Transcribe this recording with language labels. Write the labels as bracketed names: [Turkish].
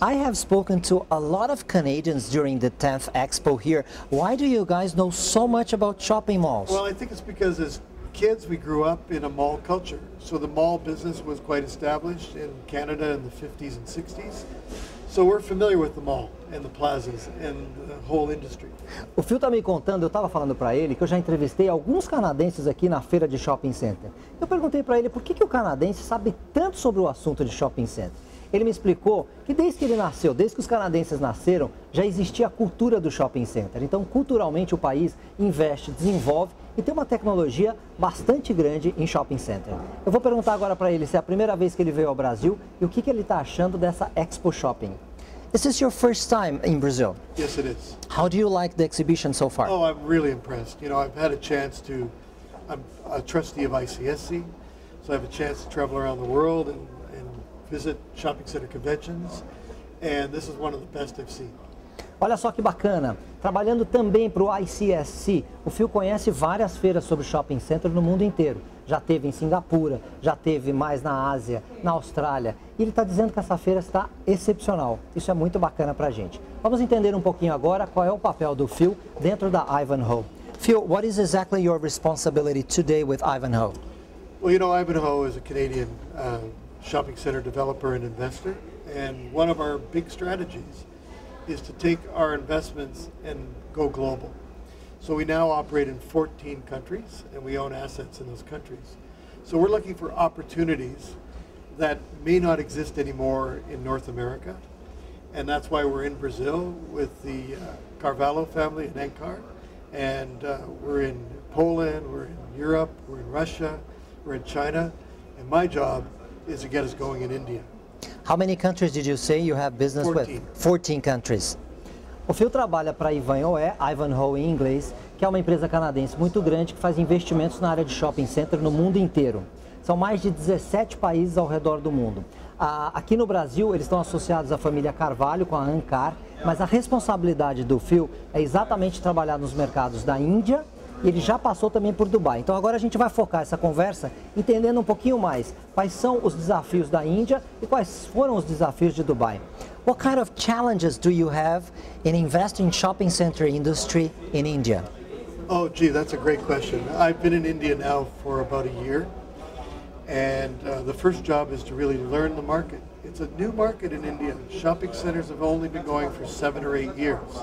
[English] I have spoken to a lot of Canadians during the 10th Expo here. Why do you guys know so much about shopping malls? Well, I think it's because as kids we grew up in a mall culture. So the mall business was quite established in Canada in the 50s and 60s. So we're familiar with the mall and the plazas and the whole industry. [Portuguese] O Phil tá me contando, eu tava falando para ele que eu já entrevistei alguns canadenses aqui na feira de shopping center. Eu perguntei para ele por que o canadense sabe tanto sobre o assunto de shopping center. Ele me explicou que desde que ele nasceu, desde que os canadenses nasceram, já existia a cultura do shopping center. Então, culturalmente, o país investe, desenvolve e tem uma tecnologia bastante grande em shopping center. Eu vou perguntar agora para ele se é a primeira vez que ele veio ao Brasil e o que ele está achando dessa Expo Shopping. [English] Is this your first time in Brazil? Yes, it is. How do you like the exhibition so far? Oh, I'm really impressed. You know, I've had a chance to... I'm a trustee of ICSC, so I have a chance to travel around the world and visit shopping center conventions, and this is one of the best I've seen. [Portuguese] Olha só que bacana! Trabalhando também para o ICSC, o Phil conhece várias feiras sobre shopping center no mundo inteiro. Já teve em Singapura, já teve mais na Ásia, na Austrália. E ele está dizendo que essa feira está excepcional. Isso é muito bacana para a gente. Vamos entender um pouquinho agora qual é o papel do Phil dentro da Ivanhoe. [English] Phil, what is exactly your responsibility today with Ivanhoe? Well, you know, Ivanhoe is a Canadian shopping center developer and investor, and one of our big strategies is to take our investments and go global. So we now operate in 14 countries and we own assets in those countries. So we're looking for opportunities that may not exist anymore in North America, and that's why we're in Brazil with the Carvalho family in Ancar, and we're in Poland, we're in Europe, we're in Russia, we're in China, and my job is to get us going in India. How many countries did you say you have business 14. With? 14 countries. [Portuguese] O Phil trabalha para Ivanhoe, Ivanhoe em inglês, que é uma empresa canadense muito grande que faz investimentos na área de shopping center no mundo inteiro. São mais de 17 países ao redor do mundo. Aqui no Brasil, eles estão associados à família Carvalho, com a Ancar, mas a responsabilidade do Phil é exatamente trabalhar nos mercados da Índia. Ele já passou também por Dubai. Então agora a gente vai focar essa conversa entendendo um pouquinho mais quais são os desafios da Índia e quais foram os desafios de Dubai. [English] What kind of challenges do you have in investing in shopping center industry in India? Oh gee, that's a great question. I've been in India now for about a year. And the first job is to really learn the market. It's a new market in India. Shopping centers have only been going for 7 or 8 years.